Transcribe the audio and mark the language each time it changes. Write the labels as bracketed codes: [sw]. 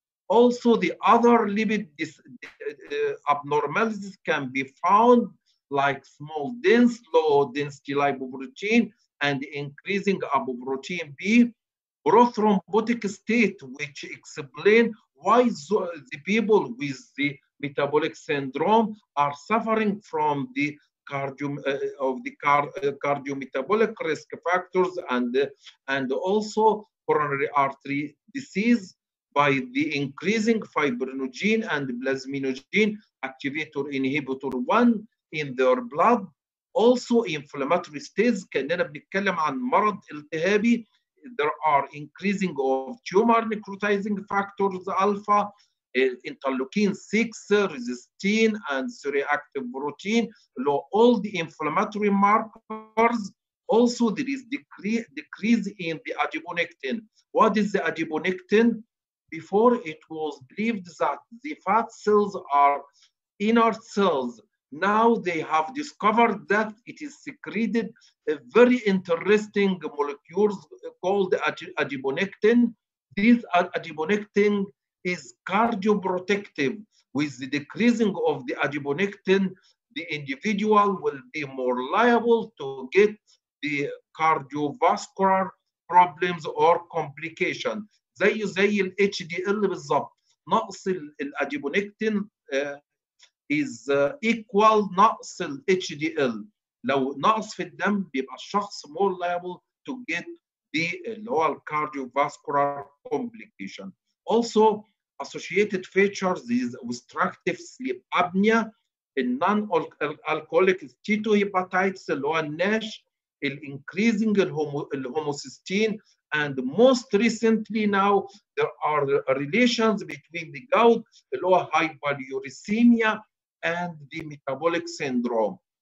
[en] Also, the other lipid abnormalities can be found, like small dense, low density lipoprotein, and increasing apoprotein B, prothrombotic state, which explain why the people with the metabolic syndrome are suffering from the cardiometabolic risk factors and also coronary artery disease by the increasing fibrinogen and plasminogen activator inhibitor 1 in their blood. Also, inflammatory states. [ar] كأننا بنتكلم عن مرض التهابي. [en] There are increasing of tumor necrotizing factors alpha, interleukin 6, resistin, and C-reactive protein. Low all the inflammatory markers. Also, there is decrease in the adiponectin. What is the adiponectin? Before, it was believed that the fat cells are inner cells. Now they have discovered that it is secreted a very interesting molecules called adiponectin. This adiponectin is cardioprotective. With the decreasing of the adiponectin, the individual will be more liable to get the cardiovascular problems or complication. [ar] زي الHDL بالضبط. نقص الأديبونكتين [en] is equal [ar] نقص ال HDL. لو نقص في الدم بيبقى الشخص [en] more liable to get the lower cardiovascular complication. Also associated features is obstructive sleep apnea, non-alcoholic steatohepatitis, [ar] اللي هو الناش, [en] increasing الهوموسيستين, and most recently now there are relations between the gout, [ar] اللي هو [en] hyperuricemia, and the metabolic syndrome.